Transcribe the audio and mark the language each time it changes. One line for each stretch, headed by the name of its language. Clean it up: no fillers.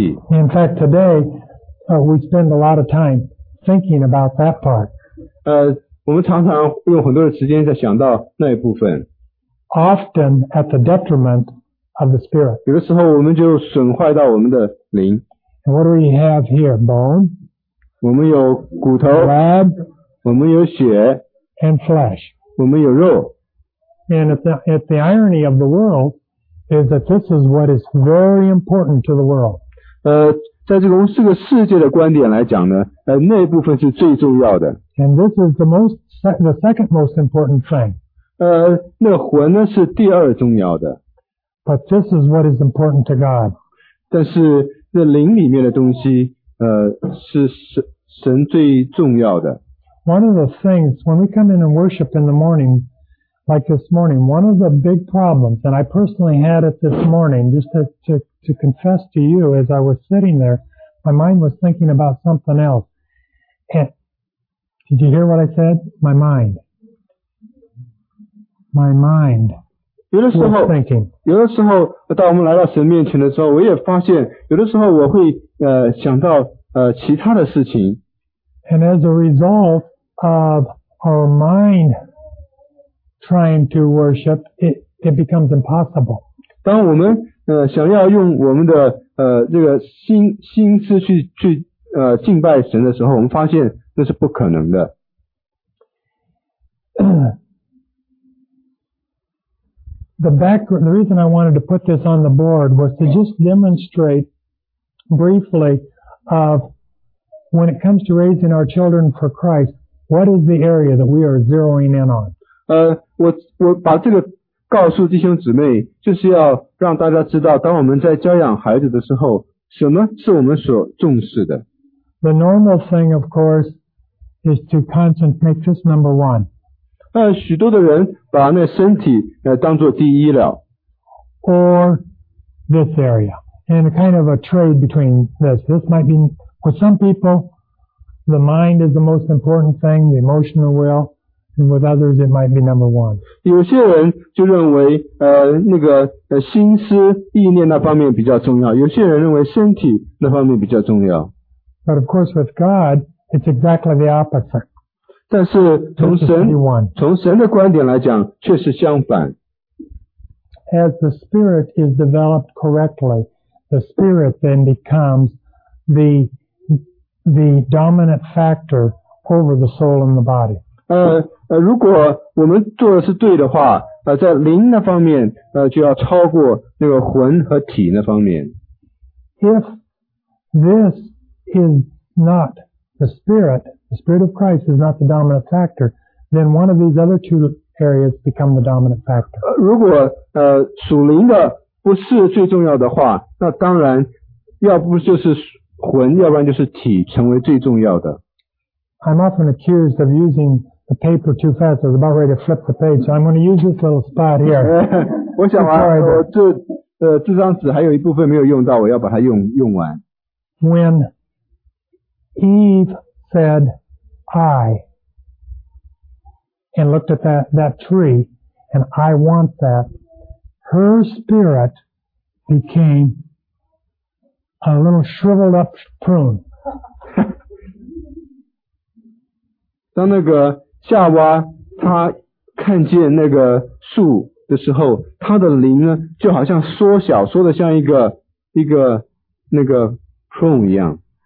English: In fact, today, we spend a lot of time thinking about that part.
Chinese: 我们常常用很多的时间在想到那一部分。
English: Often at the detriment of the spirit.
Chinese: 有的时候我们就损坏到我们的灵。
English: And what do we have here? Bone.
Chinese: 我们有骨头。
English: Blood.
Chinese: 我们有血。
English: And flesh.
Chinese: 我们有肉。
English: And if the irony of the world,is that this is what is very important to the world.
Chinese: 在这个世界的观点来讲呢，那一部分是最重要的。
English: And this is the second most important thing.
Chinese: 那魂呢是第二重要的。
English: But this is what is important to God.
Chinese: 但是那灵里面的东西是神最重要的。
English: One of the things, when we come in and worship in the morning, like this morning, one of the big problems, and I personally had it this morning, just to confess to you, as I was sitting there, my mind was thinking about something else. And did you hear what I said? My mind. My mind.
Chinese: 有的时候当我们来到神面前的时候，我也发现有的时候我会想到其他的事情。
English: And as a result of our mind trying to worship, it becomes impossible.
Chinese: 当我们想要用我们的这个心思去敬拜神的时候，我们发现那是不可能的。
English: The reason I wanted to put this on the board was to just demonstrate briefly of when it comes to raising our children for Christ, what is the area that we are zeroing in on?
Chinese: 我把这个告诉弟兄姊妹，就是要让大家知道，当我们在教养孩子的时候，什么是我们所重视的。
English: The normal thing, of course, is to concentrate, make this number one.
Chinese: 许多的人把那身体当作第一了。
English: Or this area. And a kind of a trade between this. This might be, for some people, the mind is the most important thing, the emotional will, and with others it might be number one.
Chinese: 有些人就认为心思意念那方面比较重要，有些人认为身体那方面比较重要。
English: But of course with God, it's exactly the opposite.
Chinese: 但是从神的观点来讲却是相反。
English: As the spirit is developed correctly, the spirit then becomes the dominant factor over the soul and the body.
Chinese: 如果我们做的是对的话，在灵那方面就要超过那个魂和体那方面。
English: If this is not the spirit of Christ is not the dominant factor, then one of these other two areas become the dominant factor.
Chinese: 如果属灵的不是最重要的话，那当然要不就是魂，要不然就是体成为最重要的。
English: I'm often accused of using the paper too fast. I was about ready to flip the page, so I'm going to use this little spot here.
Chinese: 我想完，这张纸还有一部分没有用到，我要把它用完。
English: When Eve said, I, and looked at that tree, and I want that, her spirit became a little shriveled up prune.
Chinese: 当那个夏娃她看见那个树的时候，她的灵呢就好像缩小，缩得像一个那个 prune 一样。